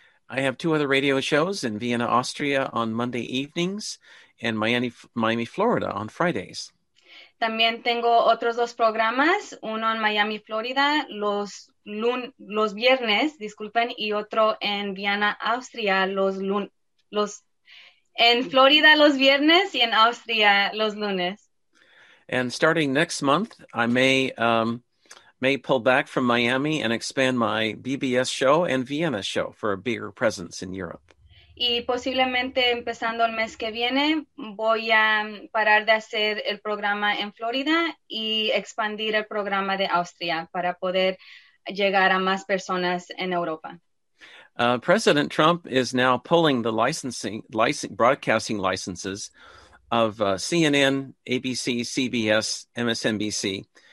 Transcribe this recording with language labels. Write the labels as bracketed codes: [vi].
[en] I have two other radio shows in Vienna, Austria on Monday evenings, and Miami, Florida on Fridays. [es] También tengo otros dos programas, uno en Miami, Florida, los viernes, disculpen, y otro en Vienna, Austria, en Florida los viernes y en Austria los lunes. [en] And starting next month, I may pull back from Miami and expand my BBS show and Vienna show for a bigger presence in Europe. [es] Y posiblemente empezando el mes que viene, voy a parar de hacer el programa en Florida y expandir el programa de Austria para poder llegar a más personas en Europa. [en] President Trump is now pulling the broadcasting licenses of CNN, ABC, CBS, MSNBC.